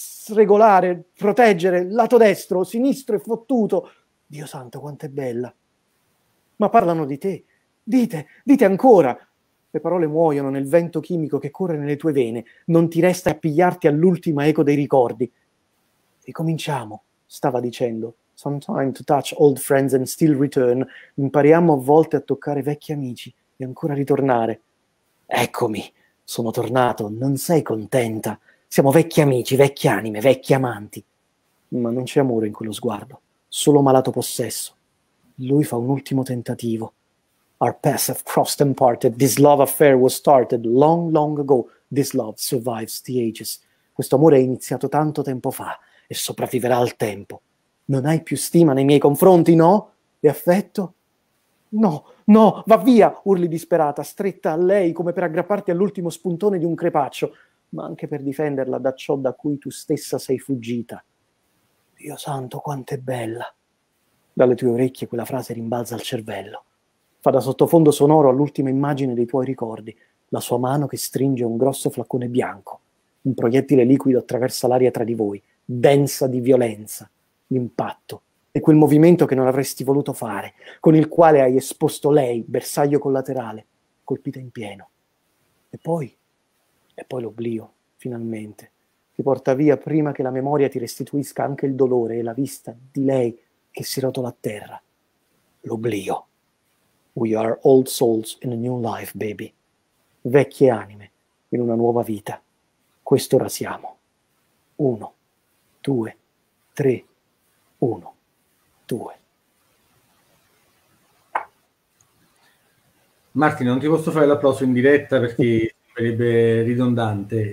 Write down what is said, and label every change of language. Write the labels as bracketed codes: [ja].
[it] Regolare, proteggere, lato destro, sinistro e fottuto. Dio santo, quanto è bella. Ma parlano di te. Dite, dite ancora. Le parole muoiono nel vento chimico che corre nelle tue vene. Non ti resta a pigliarti all'ultima eco dei ricordi. Ricominciamo, stava dicendo. [en] Sometime to touch old friends and still return. [it] Impariamo a volte a toccare vecchi amici e ancora ritornare. Eccomi, sono tornato. Non sei contenta? Siamo vecchi amici, vecchie anime, vecchi amanti. Ma non c'è amore in quello sguardo, solo malato possesso. Lui fa un ultimo tentativo. [en] Our paths have crossed and parted. This love affair was started long, long ago. This love survives the ages. [it] Questo amore è iniziato tanto tempo fa e sopravviverà al tempo. Non hai più stima nei miei confronti, no? E affetto? No, no, va via! Urli disperata, stretta a lei come per aggrapparti all'ultimo spuntone di un crepaccio. Ma anche per difenderla da ciò da cui tu stessa sei fuggita. Dio santo, quanto è bella! Dalle tue orecchie quella frase rimbalza al cervello. Fa da sottofondo sonoro all'ultima immagine dei tuoi ricordi, la sua mano che stringe un grosso flaccone bianco. Un proiettile liquido attraversa l'aria tra di voi, densa di violenza. L'impatto è quel movimento che non avresti voluto fare, con il quale hai esposto lei, bersaglio collaterale, colpita in pieno. E poi l'oblio, finalmente, ti porta via prima che la memoria ti restituisca anche il dolore e la vista di lei che si rotola a terra. L'oblio. [en] We are old souls in a new life, baby. [it] Vecchie anime in una nuova vita. Quest'ora siamo. Uno, due, tre, uno, due. Martino, non ti posso fare l'applauso in diretta perché sarebbe ridondante.